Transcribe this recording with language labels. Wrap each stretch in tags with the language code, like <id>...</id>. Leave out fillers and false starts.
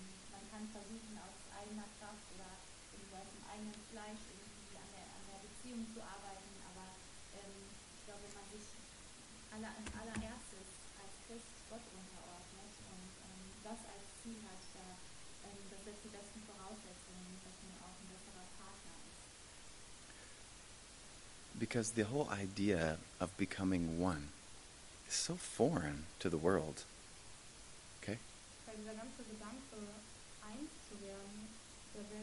<de>Man kann versuchen, aus eigener Kraft oder irgendwie aus dem eigenen Fleisch irgendwie an der Beziehung zu arbeiten, aber ich glaube, wenn man sich als allererstes als Christ Gott unterordnet und das als Ziel hat, das setzt die besten Voraussetzungen, dass man auch ein besserer Partner ist.</de> <en>Because the whole idea of becoming one is so foreign to the world. Okay?</en> <de>Weil dieser ganze Gedanke, eins zu werden, der ist</de>